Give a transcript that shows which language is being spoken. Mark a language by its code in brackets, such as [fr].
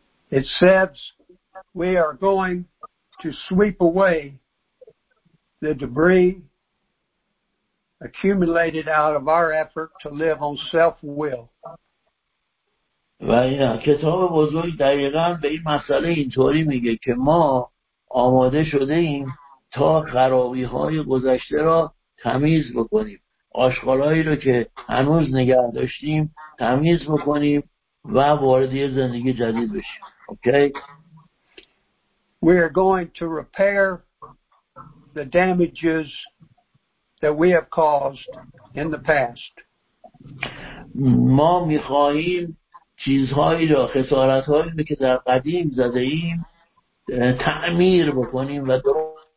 [en] It says we are going to sweep away the debris accumulated out of our effort to live on self-will. [fa] و کتاب بزرگ دقیقا به این مسئله اینطوری میگه که ما آماده شده ایم تا خرابی های گذشته را تمیز بکنیم، آشغال هایی را که هنوز نگه داشتیم تمیز بکنیم و وارد یه زندگی جدید بشیم. [en] Okay? We are going to repair the damages that we have caused in the past. [fa] ما میخواهیم چیزهایی را، خسارتهایی را که در قدیم زده ایم تعمیر بکنیم و درست.